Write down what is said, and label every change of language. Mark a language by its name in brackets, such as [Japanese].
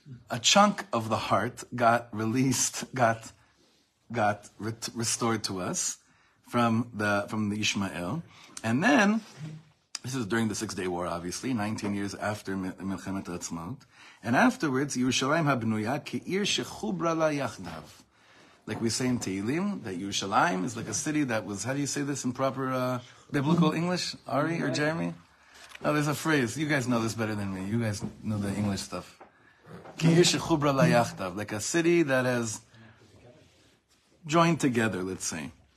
[English] A chunk of the heart got released, got restored to us from the Ishmael. And then, this is during the Six-Day War, obviously, 19 years after מלחמת העצמאות. And afterwards, [Hebrew] ירושלים הבנויה כעיר שחוברה לה יחדיו. [English] Like we say in Tehillim, that Yerushalayim is like a city that was, how do you say this in proper biblical English, Ari or Jeremy? Oh, there's a phrase. You guys know this better than me. You guys know the English stuff. Like a city that has joined together, let's say.